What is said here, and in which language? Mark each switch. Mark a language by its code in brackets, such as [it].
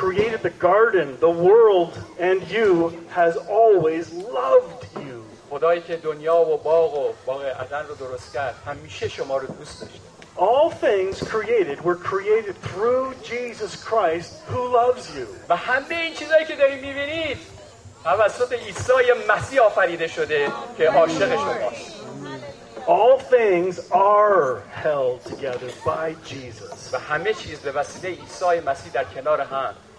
[en] The world and you has always loved you. [fa] خدایی که دنیا و باغ و باغ عدن رو درست کرد همیشه شما رو دوست داشته. [en] All things created were created through Jesus Christ who loves you. [fa] و همه این چیزایی که دارید می‌بینید توسط عیسی مسیح آفریده شده که عاشق شماست. [en] All things are held together by Jesus. [fa] و همه چیز به وسیله عیسی مسیح در کنار هم